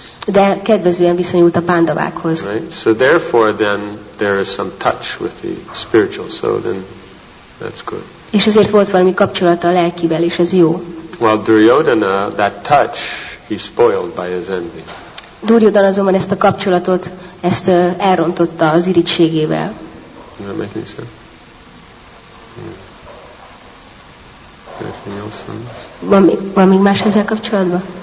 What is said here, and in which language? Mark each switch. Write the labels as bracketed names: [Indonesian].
[Hungarian] De kedvezően viszonyult a Pandavákhoz. [English] Right? So therefore then there is some touch with the spiritual, so then that's good. [Hungarian] És ezért volt valami kapcsolata a lelkivel, és ez jó. [English] While Duryodhana, that touch, he spoiled by his envy. [Hungarian] Duryodhana azonban ezt a kapcsolatot, ezt elrontotta az irigységével. [English] Does that make any sense? Yeah. Anything else on this? [Hungarian] Van még más ezzel kapcsolatban?